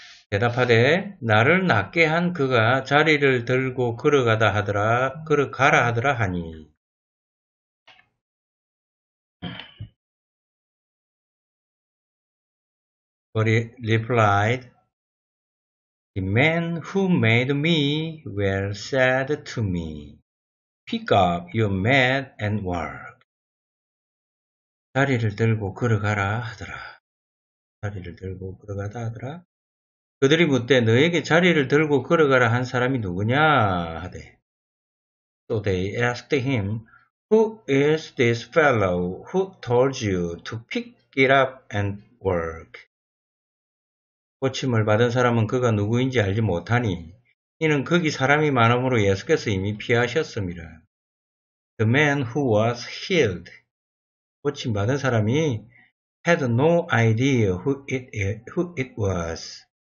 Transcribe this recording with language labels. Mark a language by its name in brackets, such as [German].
[Korean] 대답하되 나를 낫게 한 그가 자리를 들고 걸어가다 하더라 걸어가라 하더라 하니 [English] But he replied The man who made me well said to me Pick up your mat and walk [Korean] 자리를 들고 걸어가라 하더라 자리를 들고 걸어가다 하더라. 그들이 묻되 너에게 자리를 들고 걸어가라 한 사람이 누구냐 하되. [English] So they asked him, Who is this fellow who told you to pick it up and work? [Korean] 고침을 받은 사람은 그가 누구인지 알지 못하니 이는 거기 사람이 많음으로 예수께서 이미 피하셨음이라. [English] The man who was healed. [Korean] 고침 받은 사람이 [English] had no idea who it was.